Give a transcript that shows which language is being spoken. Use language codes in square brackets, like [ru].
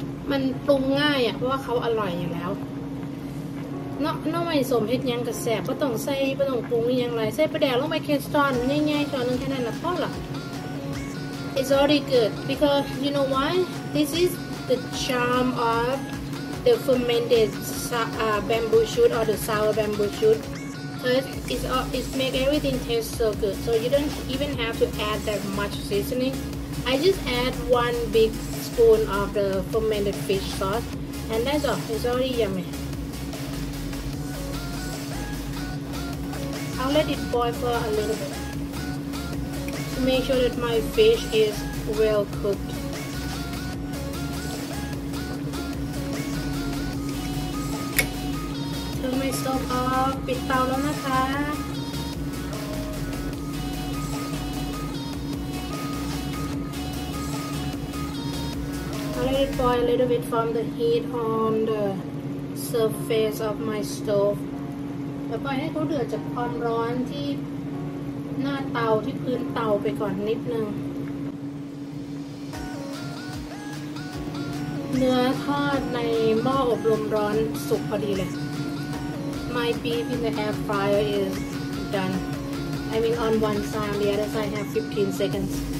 [th] มันปรุงง่ายอ่ะเพราะว่าเขาอร่อยอยู่แล้วเนาะหน่อไม้ส้มเฮ็ดยังกระแสบก็ต้องใส่ก็ต้องปรุงอย่างไรใส่ประแดกลงไปเคสตอนง่ายๆช้อนนึงแค่นั้นนะพ่อหรอ [en] It's already good because you know why this is the charm of the fermented bamboo shoot or the sour bamboo shootBecause it make everything taste so good, so you don't even have to add that much seasoning. I just add one big spoon of the fermented fish sauce, and that's all. It's already yummy. I'll let it boil for a little bit to make sure that my fish is well cooked. [th] สตอปปิดเตาแล้วนะคะ [en] I'll let it boil a little bit from the heat on the surface of my stove [th] แล้วปล่อยให้เขาเดือดจากความร้อนที่หน้าเตาที่พื้นเตาไปก่อนนิดนึง เนื้อทอดในหม้ออบลมร้อนสุกพอดีเลย [en] My beef in the air fryer is done. I mean on one side, the other side have 15 seconds.